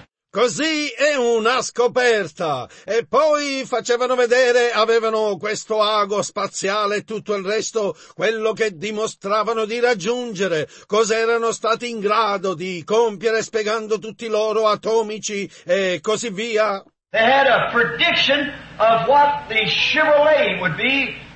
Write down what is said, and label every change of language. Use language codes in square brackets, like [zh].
[it] Così è una scoperta. E poi facevano vedere, avevano questo ago spaziale e tutto il resto, quello che dimostravano di raggiungere, cosa erano stati in grado di compiere spiegando tutti i loro atomici e così via. [en] They had a prediction of what the Chevrolet would be.